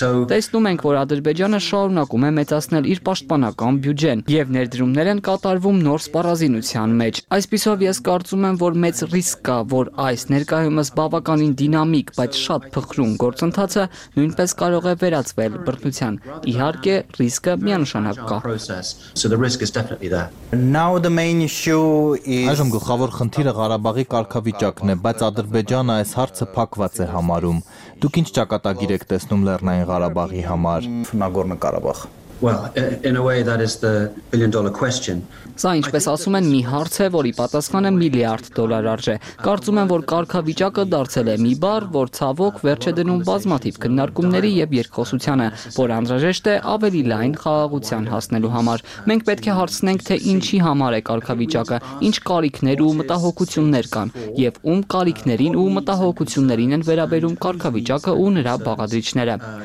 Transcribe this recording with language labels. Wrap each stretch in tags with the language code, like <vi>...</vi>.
<hy>Տեսնում ենք, որ Ադրբեջանը շարունակում է մեծացնել իր պաշտպանական բյուջեն, եւ ներդրումներ են կատարվում նոր սպառազինության մեջ։ Այսպիսով ես կարծում եմ, որ մեծ ռիսկ կա, որ այս ներկայումս բավականին դինամիկ, բայց շատ փխրուն գործընթացը նույնպես կարող է վերածվել բռնության։ Իհարկե, ռիսկը միանշանակ կա։ Այժմ գլխավոր խնդիրը Ղարաբաղի կարգավիճակն է, բայց Ադրբեջանը այս հարցը փակված է համարում։ Դուք ինչ ճակատագիր եք տեսնում Լեռնային Ղարաբաղի համար։ Նագորնո-Ղարաբաղ։</hy> <en>Well, in a way that is the $1 billion question.</en> <hy>Սա, ինչպես ասում են, մի հարց է, որի պատասխանը միլիարդ դոլար արժե։ Կարծում եմ, որ կարգավիճակը դարձել է մի բառ, որ ցավոք վերջ է դնում բազմաթիվ քննարկումների եւ երկխոսությանը, որ անհրաժեշտ է ավելի լայն խաղաղության հասնելու համար։ Մենք պետք է հարցնենք, թե ինչի համար է կարգավիճակը, ինչ կարիքներ ու մտահոգություններ կան, եւ ում կարիքներին ու մտահոգություններին են վերաբերում կարգավիճակը ու նրա բաղադրիչները։</hy>